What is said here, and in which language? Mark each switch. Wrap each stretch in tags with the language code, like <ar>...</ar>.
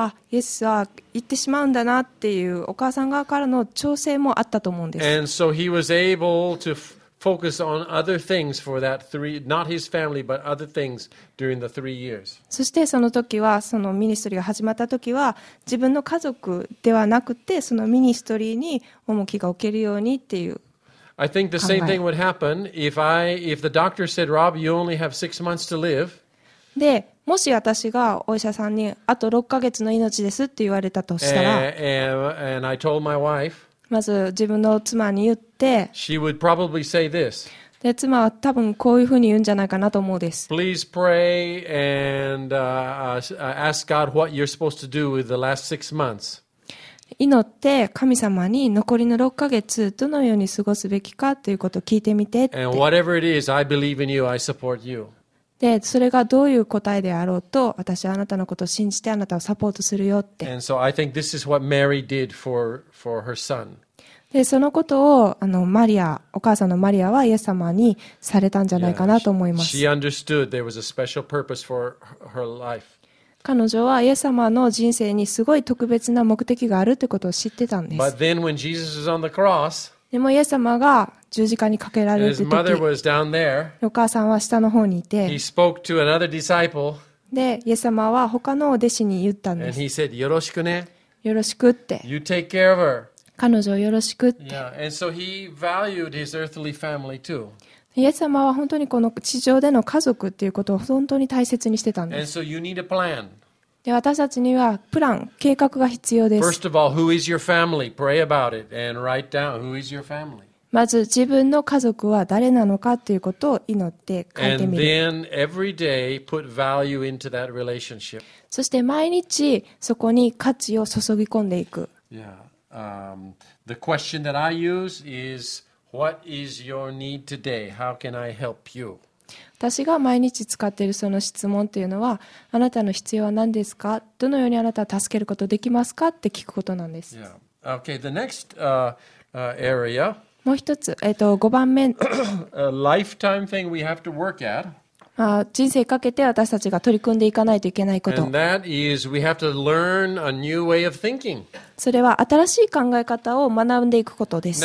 <ja>イエスは行ってしまうんだなっていうお母さん側からの調整もあったと思うんです。</ja> <en>And so he was able to... Focus on other things for that three, not his family, but other things during the three years.</en> <ja>そしてその時は、そのミニストリーが始まった時は、自分の家族ではなくて、そのミニストリーに重きが置けるようにっていう考</ja> <en>え。I think the same thing would happen if the doctor said, Rob, you only have six months to live.</en> <ja>で、もし私がお医者さんにあと6ヶ月の命ですって言われたとしたら、</ja> <en>and I told my wife,</en> <ja>まず自分の妻に言って、</ja> <en>she would probably say this.</en> <ja>で妻は多分こういうふうに言うんじゃないかなと思うです。</ja> <en>Please pray and ask God what you're supposed to do with the last six months.</en> <ja>祈って神様に残りの6ヶ月どのように過ごすべきかということを聞いてみてって。</ja> <en>And whatever it is, I believe in you, I support you.</en> <ja>で、それがどういう答えであろうと、私はあなたのことを信じてあなたをサポートするよって。</ja> <en>And so I think this is what Mary did for her son.</en> <ja>で、そのことをマリア、お母さんのマリアはイエス様にされたんじゃないかなと思います。</ja> <en>She understood there was a special purpose for her life.</en> <ja>彼女はイエス様の人生にすごい特別な目的があるということを知ってたんです。</ja> <en>But then when Jesus was on the cross,</en> <ja>でもイエス様が十字架にかけられる時、</ja> <en>his mother was down there,</en> <ja>お母さんは下の方にいて、</ja> <en>he spoke to another disciple,</en> <ja>でイエス様は他の弟子に言ったんです。</ja> <en>And he said,</en> <ja>よろしくね。よろしくって。</ja> <en>You take care of her.</en> <ja>彼女をよろしくって。</ja> <en>Yeah, and so he valued his earthly family too.</en> <ja>イエス様は本当にこの地上での家族っていうことを本当に大切にしてたんです。 So、で私たちにはプラン、計画が必要です。</ja> <en>First of all, who is your family? Pray about it and write down who is your family.</en> <ja>まず自分の家族は誰なのかっていうことを祈って書いてみる。</ja> <en>And then every day put value into that relationship.</en> <ja>そして毎日そこに価値を注ぎ込んでいく。</ja> <en>Yeah. The question that I use is. What is your need today? How can I help you?</en> <ja>私が毎日使っているその質問というのは、あなたの必要は何ですか？どのようにあなたを助けることできますか？って聞くことなんです。</ja> <en>Yeah. Okay, the next area.</en> <ja>もう一つ、五番目。</ja> <en>A lifetime thing we have to work at.</en> <ja>人生かけて私たちが取り組んでいかないといけないこと。</ja> <en>And that is, we have to learn a new way of thinking.</en> <ja>それは新しい考え方を学んでいくことです。</ja>